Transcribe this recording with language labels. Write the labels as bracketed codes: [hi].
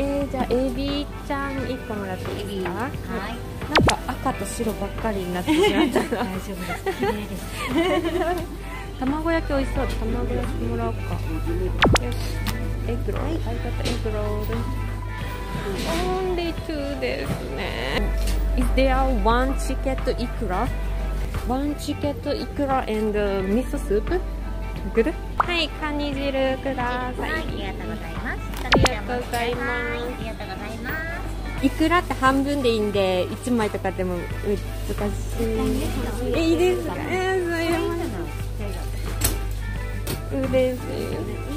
[ja] じゃあエビちゃん1個もらっていいですか？はい。なんか赤と白ばっかりになってしまったな。大丈夫です。綺麗です。卵焼きおいしそう。卵焼きもらおうか。よし。エッグロール。はい、ちょっとエッグロール。 [en] Only two [ja] ですね。 [en] Is there one ticket いくら？ One ticket いくら and miso soup? Good? [ja] はい、カニ汁ください。ありがとうございます。ありがとうございます。ありがとうございます。いくらって半分でいいんで、1枚とかでも難しい。いいですか？いいですか？嬉しい。